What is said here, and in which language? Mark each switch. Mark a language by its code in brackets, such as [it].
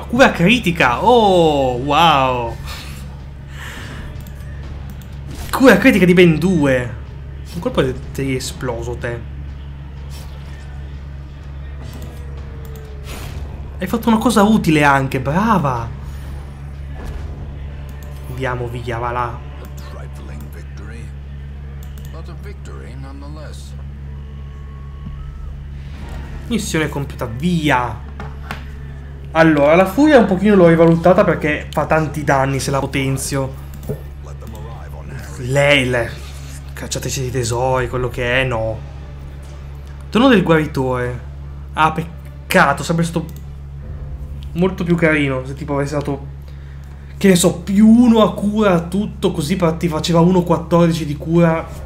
[it] Cura critica. Oh, wow. Cura critica di ben 2. Un colpo ti è esploso te. Hai fatto una cosa utile anche, brava. Andiamo via, va là. [en] A trifling victory, but a victory nonetheless. [it] Missione completa, via. Allora, la furia un pochino l'ho rivalutata perché fa tanti danni se la potenzio. Leile, cacciateci di tesori, quello che è, no. Trono del guaritore. Ah, peccato, sarebbe stato molto più carino se tipo avessi dato, che ne so, più 1 a cura a tutto, così ti faceva 1-14 di cura.